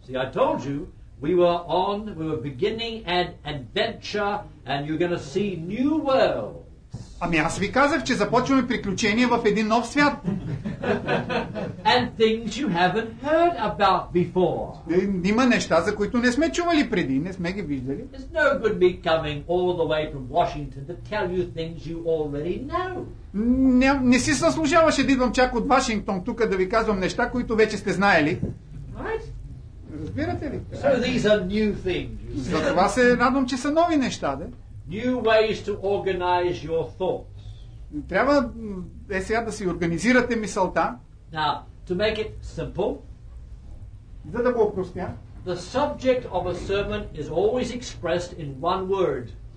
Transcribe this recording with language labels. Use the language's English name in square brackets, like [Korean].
[English] See, I told you we were beginning an adventure, and you're going to see new worlds. [Bulgarian] Ами аз ви казах, че започваме приключения в един нов свят. [English] And things you haven't heard about before. [Bulgarian] Има неща, за които не сме чували преди, не сме ги виждали. [English] It's no good me coming all the way from Washington to tell you things you already know. [Bulgarian] Не си заслужаваше да идвам чак от Вашингтон тук да ви казвам неща, които вече сте знаели. [English] Right? [Bulgarian] Разбирате ли? [English] So these are new things. [Bulgarian] Затова се радвам, че са нови неща, да? [English] New ways to organize your thoughts. [Bulgarian] Трябва е сега да си организирате мисълта. [English] Now, to make it simple. [Bulgarian] За да го опростя. [English] The subject of a sermon is always expressed in one word.